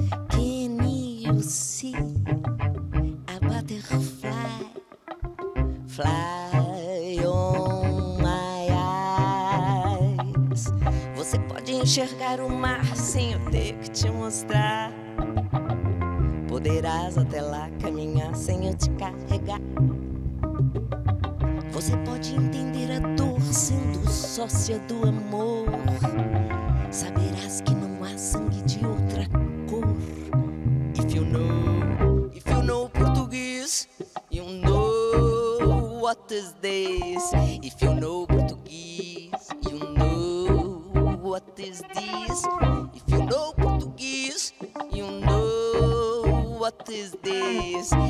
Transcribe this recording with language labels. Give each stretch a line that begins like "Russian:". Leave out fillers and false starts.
English: Can you see a butterfly fly on my eyes?
Portuguese: Você pode enxergar o mar sem eu ter que te mostrar. Poderás até lá caminhar sem eu te carregar. Você pode entender a dor sendo sócia do amor. Saberás que não há sangue de outra cor.
English: If you know português, you know what is this. If you know português, you know what is this. If you know português, you know what is this.